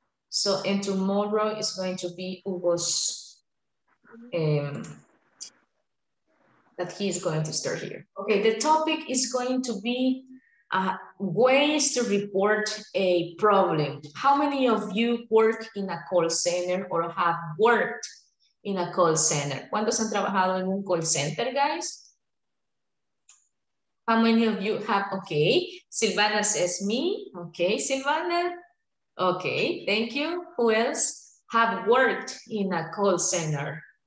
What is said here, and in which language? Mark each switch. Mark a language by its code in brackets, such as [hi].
[en] So, and tomorrow is going to be Hugo's, that he's going to start here. Okay, the topic is going to be ways to report a problem. How many of you work in a call center or have worked in a call center? [es] ¿Cuántos han trabajado en un call center, guys? [en] How many of you have, okay, Silvana says me, okay, Silvana, okay, thank you. Who else have worked in a call center?